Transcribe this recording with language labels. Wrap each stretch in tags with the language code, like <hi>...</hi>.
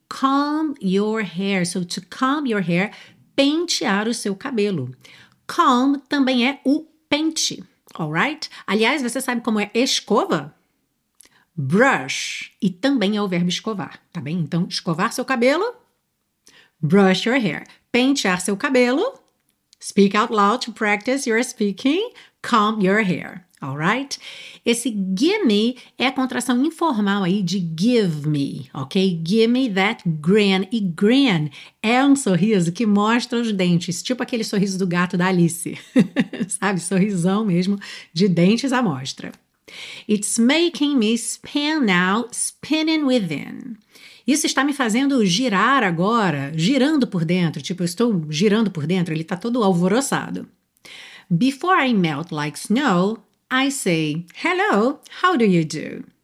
<en>Comb your hair. So, to comb your hair,</en> <pt>pentear o seu cabelo. Comb também é o pente, alright? Aliás, você sabe como é escova? Brush. E também é o verbo escovar, tá bem? Então, escovar seu cabelo,</pt> <en>brush your hair.</en> <pt>Pentear seu cabelo,</pt> <en>speak out loud to practice your speaking, comb your hair, alright?</en> <pt>Esse gimme é a contração informal aí de give me, ok?</pt> <en>Give me that grin.</en> <pt>E grin é um sorriso que mostra os dentes, tipo aquele sorriso do gato da Alice, sabe? Sorrisão mesmo de dentes à mostra.</pt> <en>It's making me spin now, spinning within.</en> <pt>Isso está me fazendo girar agora, girando por dentro, tipo, eu estou girando por dentro, ele está todo alvoroçado.</pt> <en>Before I melt like snow, I say, hello, how do you do?</en>